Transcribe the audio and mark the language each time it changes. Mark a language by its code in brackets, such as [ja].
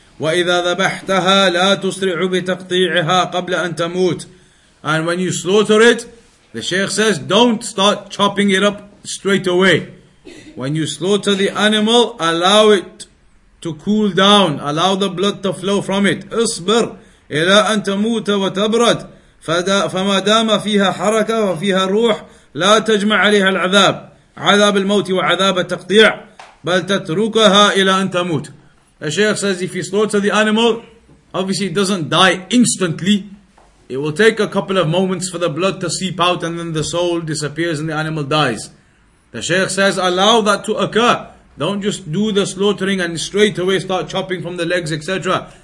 [ar] وَإِذَا ذَبَحْتَهَا لَا تُسْرِعُ بِتَقْطِيعِهَا قَبْلَ أَن تَمُوتِ. [en] And when you slaughter it, the Shaykh says, don't start chopping it up straight away. When you slaughter the animal, allow it to cool down. Allow the blood to flow from it. [ar] اصبر إلى أن تموت وتبرد فما دام فيها حركة وفيها روح لا تجمع عليها العذاب. عذاب الموت وعذاب التقطيع بل تتركها إلى أن تموت. [en] The Shaykh says, if you slaughter the animal, obviously it doesn't die instantly. It will take a couple of moments for the blood to seep out and then the soul disappears and the animal dies. The Shaykh says, allow that to occur. Don't just do the slaughtering and straight away start chopping from the legs, etc.